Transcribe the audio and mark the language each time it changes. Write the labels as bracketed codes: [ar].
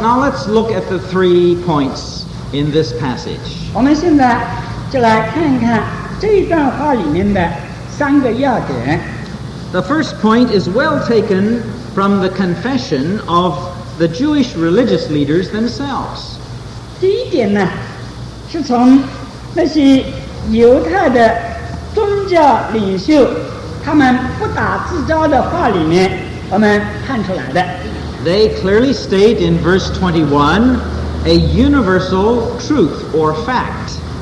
[en] now let's look at the three points in this passage. [zh] 我们现在就来看看这一段话里面的三个要点。 [en] The first point is well taken from the confession of the Jewish religious leaders themselves. [zh] 第一点呢,是从那些犹太的宗教领袖,他们不打自招的话里面,我们看出来的。 [en] They clearly state in verse 21, a universal truth or fact.